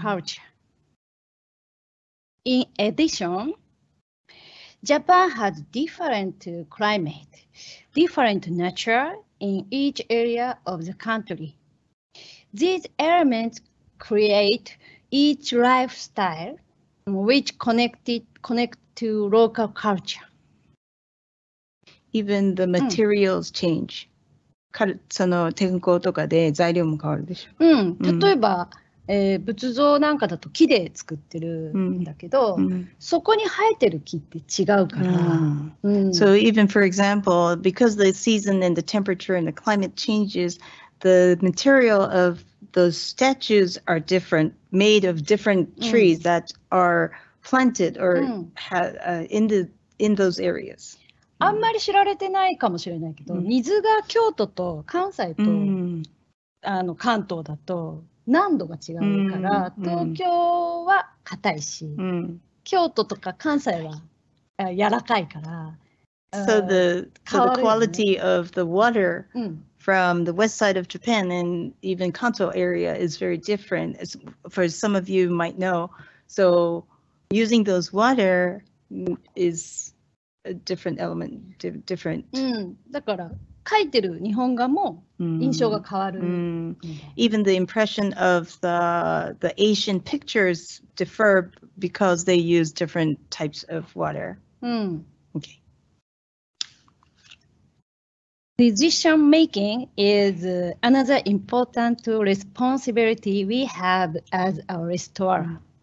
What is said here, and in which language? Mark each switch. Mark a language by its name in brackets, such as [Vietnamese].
[English] culture. In addition, Japan has different climate, different nature in each area of the country. These elements create each lifestyle which connect to local culture. Even the materials、mm. change. [Japanese] そのテクとかで材料も変わるでしょ。うん、例えば、仏像なんかだと木で作ってるんだけど、そこに生えてる木って違うから。 [English] So even for example, because the season and the temperature and the climate changes, the material of those statues are different, made of different trees that are planted or in those areas. [Japanese] あんまり知られてないかもしれないけど、水が京都と関西と、あの関東だと何度が違うから、東京は硬いし、京都とか関西は柔らかいから。 [English] So the, so the quality of the water from the west side of Japan and even Kanto area is very different, as for some of you might know. So using those water is... different element, different. [Japanese] だから書いてる日本画も印象が変わる。 [English] Even the impression of the Asian pictures differ because they use different types of water. Okay. Decision making is another important responsibility we have as a restorer.